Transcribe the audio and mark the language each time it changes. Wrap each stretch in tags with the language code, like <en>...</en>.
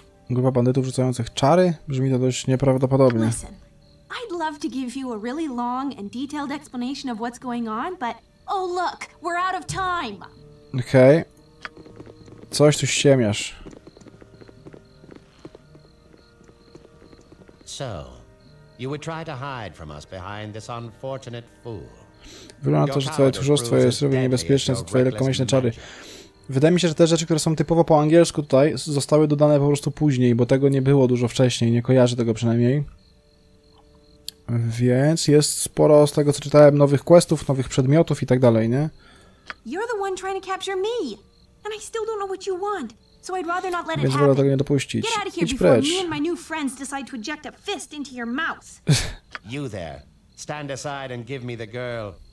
<pl>Grupa bandytów rzucających czary? Brzmi to dość nieprawdopodobnie.</pl> <en>I'd love to give you a really long and detailed explanation of what's going on, but oh look, we're out of time. Okej.</en> <pl>Coś tu ściemiasz.</pl> <en>So, you would try to hide from us behind this unfortunate fool.</en> <pl>Wygląda na to, że twoje tchórzostwo jest równie niebezpieczne co twoje lekkomyślne czary. Wydaje mi się, że te rzeczy, które są typowo po angielsku tutaj, zostały dodane po prostu później, bo tego nie było dużo wcześniej, nie kojarzę tego przynajmniej. Więc jest sporo, z tego co czytałem, nowych questów, nowych przedmiotów i tak dalej, nie?</pl> <en>You're the one trying to capture me, and I still don't know what you want, so I'd rather not let it happen.</en> <pl>Więc wolę tego nie dopuścić.</pl> <en>Idź precz. Me and my new friends decide to eject a fist into your mouth. You there, stand aside and give me the girl.</en>